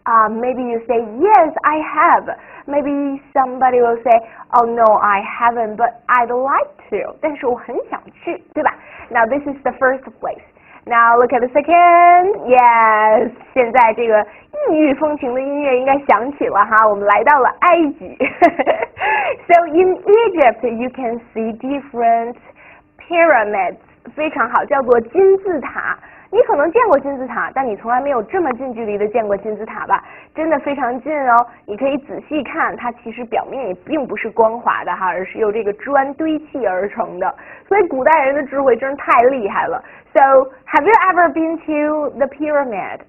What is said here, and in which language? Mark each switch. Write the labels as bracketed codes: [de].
[en] Maybe you say yes, I have. Maybe somebody will say, oh no, I haven't, but I'd like to. [zh] 但是我很想去，对吧？ [en] Now this is the first place. Now look at the second. [zh] Yes，现在这个异域风情的音乐应该响起了哈，我们来到了埃及。 [en] So in Egypt, you can see different pyramids. [zh] 非常好，叫做金字塔。你可能见过金字塔，但你从来没有这么近距离的见过金字塔吧？真的非常近哦，你可以仔细看，它其实表面也并不是光滑的哈，而是由这个砖堆砌而成的。所以古代人的智慧真是太厉害了。 [en] So have you ever been to the pyramid？